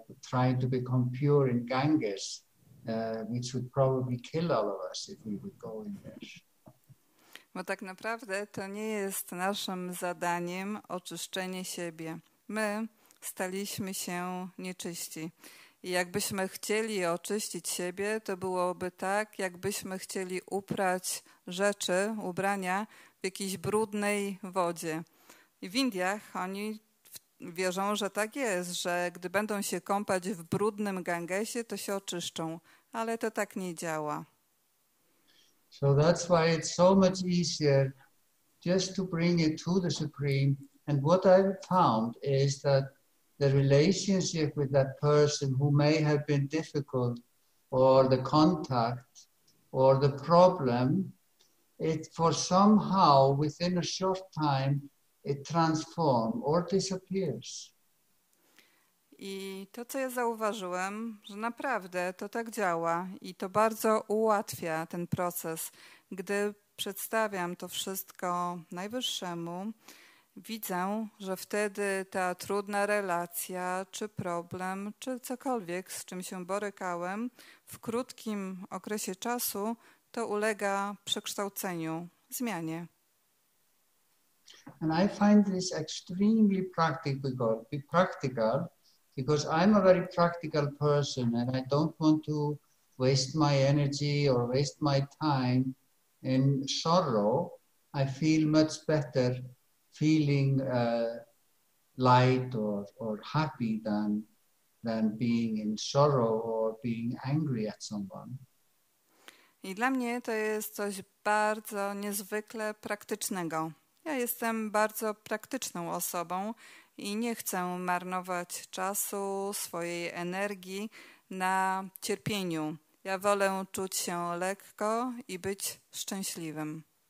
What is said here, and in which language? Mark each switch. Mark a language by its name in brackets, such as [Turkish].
[English] trying to become pure in Ganges, which would probably kill all of us if we would go in there. [Polish] Bo tak naprawdę to nie jest naszym zadaniem oczyszczenie siebie. My staliśmy się nieczyści. I jakbyśmy chcieli oczyścić siebie, to byłoby tak, jakbyśmy chcieli uprać rzeczy, ubrania w jakiejś brudnej wodzie. I w Indiach oni wierzą, że tak jest, że gdy będą się kąpać w brudnym Gangesie, to się oczyszczą. Ale to tak nie działa. [English] So that's why it's so much easier just to bring it to the Supreme. And what I've found is that the relationship with that person who may have been difficult, or the contact, or the problem, it for somehow within a short time it transforms or disappears. [Polish] I to, co ja zauważyłem, że naprawdę to tak działa i to bardzo ułatwia ten proces. Gdy przedstawiam to wszystko Najwyższemu, widzę, że wtedy ta trudna relacja, czy problem, czy cokolwiek, z czym się borykałem, w krótkim okresie czasu to ulega przekształceniu, zmianie. [English] And I find this extremely practical. Because I'm a very practical person and I don't want to waste my energy or waste my time in sorrow. I feel much better feeling light or happy than being in sorrow or being angry at someone. [Polish] I dla mnie to jest coś bardzo niezwykle praktycznego. Ja jestem bardzo praktyczną osobą i nie chcę marnować czasu, swojej energii na cierpieniu. Ja wolę czuć się lekko i być szczęśliwym.